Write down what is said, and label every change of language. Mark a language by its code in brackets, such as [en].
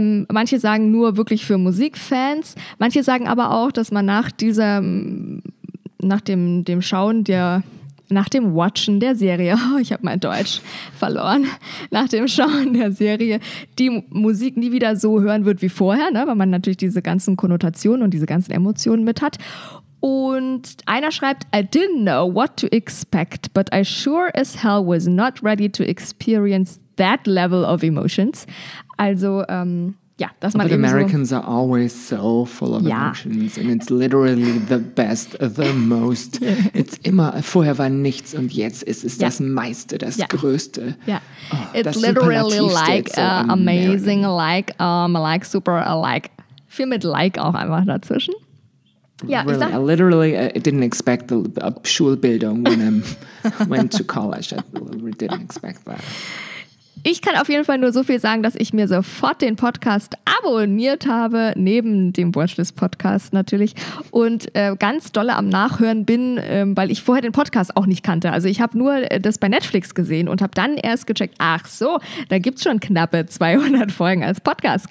[de] Manche sagen nur wirklich für Musikfans. Manche sagen aber auch, dass man nach dem Schauen der, nach dem Watchen der Serie, ich habe mein Deutsch verloren, nach dem Schauen der Serie, die Musik nie wieder so hören wird wie vorher, ne? Weil man natürlich diese ganzen Konnotationen und diese ganzen Emotionen mit hat. Und einer schreibt, [en] I didn't know what to expect, but I sure as hell was not ready to experience that level of emotions. [de] Also, ja, das [en] but [de] mal eben [en] Americans [de] so. [en] Are always so full of emotions and it's literally the best, the most. [de] It's immer, vorher war nichts und jetzt ist es das meiste, das größte. [en] Yeah. Oh, it's literally like so amazing, like super, like [de] viel mit like auch einfach dazwischen. [en] Ja, really, I literally didn't expect a Schulbildung when I went to college. I didn't expect that. [de] Ich kann auf jeden Fall nur so viel sagen, dass ich mir sofort den Podcast abonniert habe, neben dem Watchlist Podcast natürlich, und ganz dolle am Nachhören bin, weil ich vorher den Podcast auch nicht kannte. Also ich habe nur das bei Netflix gesehen und habe dann erst gecheckt, ach so, da gibt's schon knappe 200 Folgen als Podcast.